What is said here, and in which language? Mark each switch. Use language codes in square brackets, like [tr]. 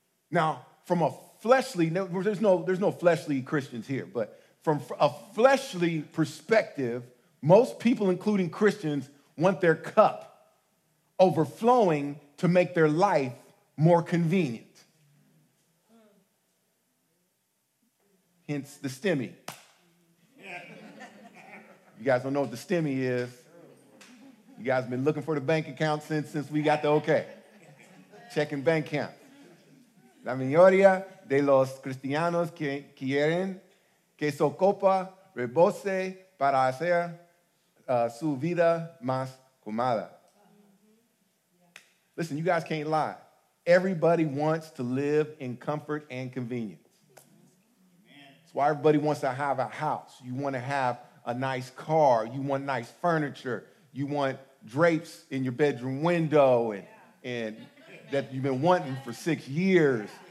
[en] Now, from a fleshly, there's no fleshly Christians here, but from a fleshly perspective, most people, including Christians, want their cup overflowing to make their life more convenient. Hence the STEMI. You guys don't know what the STEMI is. You guys been looking for the bank account since we got the okay. Checking bank account. [es] La minoría de los cristianos que quieren que su copa rebose para hacer su vida más cómoda. [en] Listen, you guys can't lie. Everybody wants to live in comfort and convenience. That's why everybody wants to have a house. You want to have a nice car. You want nice furniture. You want drapes in your bedroom window and that you've been wanting for 6 years.